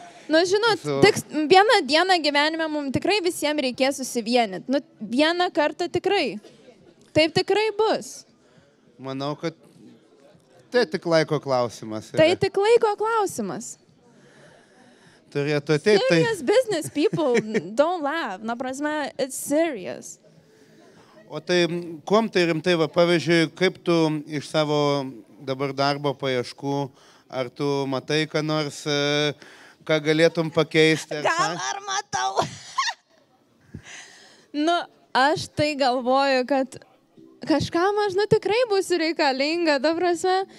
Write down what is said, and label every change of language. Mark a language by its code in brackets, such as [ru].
[lt] Nu, žinot, tik vieną dieną gyvenime mums tikrai visiems reikės susivienyti. Nu, vieną kartą tikrai. Taip tikrai bus. Manau, kad tai tik laiko klausimas. Yra. Tai tik laiko klausimas. Turėtų ateiti. [en] Serious business people don't laugh. [lt] Na, prasme, [en] it's serious. [lt] O tai, kuom tai rimtai, va, pavyzdžiui, kaip tu iš savo dabar darbo paieškų, ar tu matai, ką nors, ką galėtum pakeisti? Ar gal ar matau? Nu, aš tai galvoju, kad kažkam aš, nu, tikrai būsiu reikalinga, ta prasme,